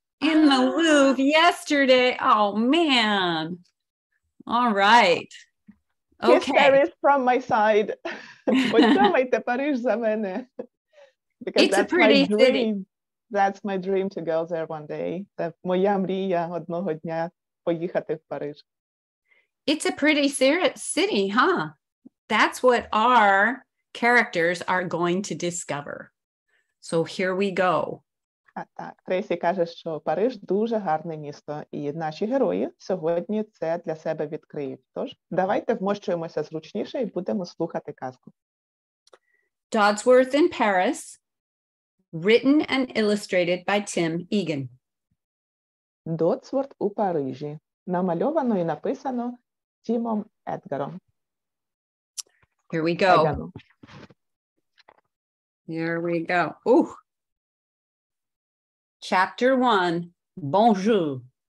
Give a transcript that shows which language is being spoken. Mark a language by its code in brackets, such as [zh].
[en] In the Louvre yesterday. Oh, man. All right. Okay. Kiss Paris from my side. [uk] Подумайте, Париж за мене. [en] Because it's a pretty city. That's my dream to go there one day. [uk] Це моя мрія одного дня поїхати в Париж. [en] It's a pretty city, huh? That's what our characters are going to discover. So here we go. [uk] Так, Тресі каже, що Париж дуже гарне місто, і наші герої сьогодні це для себе відкриють. Тож, давайте вмощуємося зручніше і будемо слухати казку. [en] Dodsworth in Paris, written and illustrated by Tim Egan. [uk] Dodsworth у Парижі, намальовано і написано Тімом Едгаром. [en] Here we go. Here we go. Ooh. Chapter 1. Bonjour.